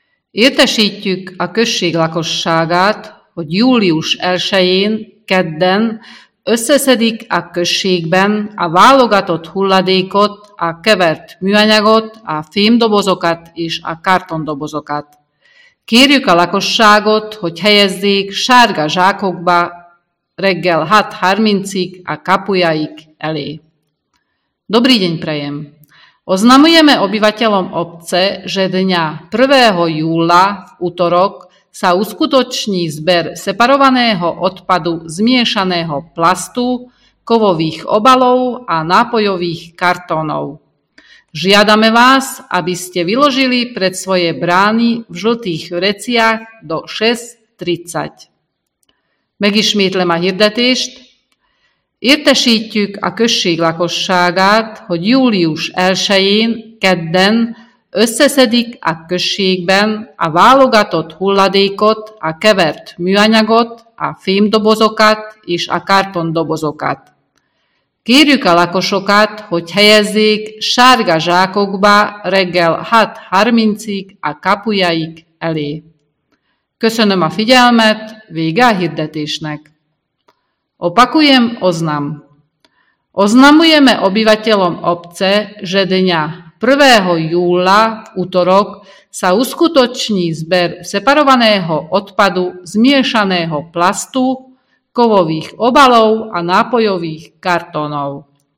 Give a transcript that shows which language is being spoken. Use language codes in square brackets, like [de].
[hu] Értesítjük a község lakosságát, hogy július 1-én, kedden összeszedik a községben a válogatott hulladékot, a kevert műanyagot, a fémdobozokat és a kartondobozokat. Kérjük a lakosságot, hogy helyezzék sárga zsákokba reggel 6:30-ig a kapujaik elé. [sk] Dobrý deň prajem! Oznamujeme obyvateľom obce, že dňa 1. júla v útorok sa uskutoční zber separovaného odpadu zmiešaného plastu, kovových obalov a nápojových kartónov. Žiadame vás, aby ste vyložili pred svoje brány v žltých vreciach do 6:30. [hu] Megismétlem a hirdetést. Értesítjük a község lakosságát, hogy július 1-én, kedden összeszedik a községben a válogatott hulladékot, a kevert műanyagot, a fémdobozokat és a kartondobozokat. Kérjük a lakosokat, hogy helyezzék sárga zsákokba reggel 6:30-ig a kapujaik elé. Köszönöm a figyelmet, vége a hirdetésnek! [sk] Opakujem oznam. Oznamujeme obyvateľom obce, že dňa 1. júla v útorok sa uskutoční zber separovaného odpadu zmiešaného plastu, kovových obalov a nápojových kartónov.